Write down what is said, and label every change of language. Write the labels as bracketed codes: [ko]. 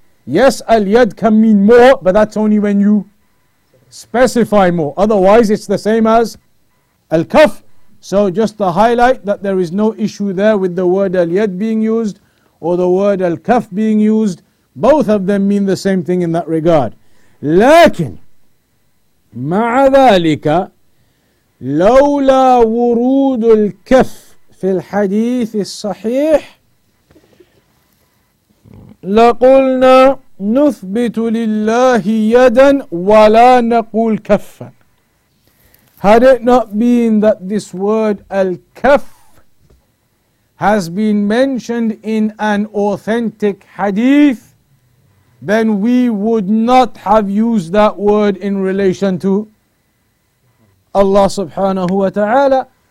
[en] Yes, al-yad can mean more, but that's only when you specify more. Otherwise, it's the same as al-kaf. So just to highlight that there is no issue there with the word al-yad being used or the word al-kaf being used. Both of them mean the same thing in that regard. [ar] لكن مع ذلك لولا ورود الكف في الحديث الصحيح لقلنا نثبت لله يدا ولا نقول كفا. [en] Had it not been that this word al-kaf has been mentioned in an authentic hadith, then we would not have used that word in relation to Allah subhanahu wa ta'ala.